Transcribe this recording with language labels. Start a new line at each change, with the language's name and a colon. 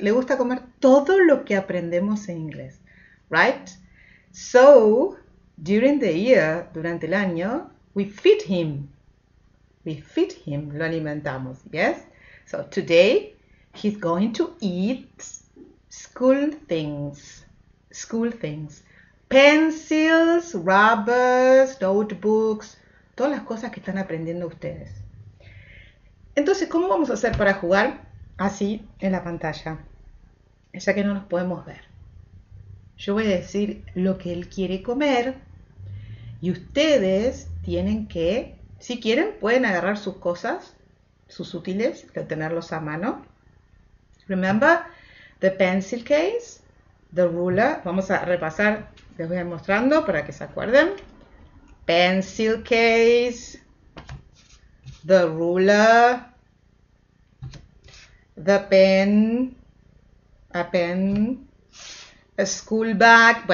Spanish: Le gusta comer todo lo que aprendemos en inglés, right?
English: So, during the year, durante el año, we feed him. We feed him. Lo alimentamos, yes? So today, he's going to eat school things. School things.
Spanish: Pencils, rubbers, notebooks. Todas las cosas que están aprendiendo ustedes. Entonces, ¿cómo vamos a hacer para jugar así en la pantalla? Ya que no nos podemos ver. Yo voy a decir lo que él quiere comer y ustedes tienen que, si quieren, pueden agarrar sus cosas, sus útiles, tenerlos a mano.
English: Remember the pencil case, the ruler.
Spanish: Vamos a repasar, les voy a ir mostrando para que se acuerden.
English: Pencil case, the ruler, the pen, a pen, a school bag.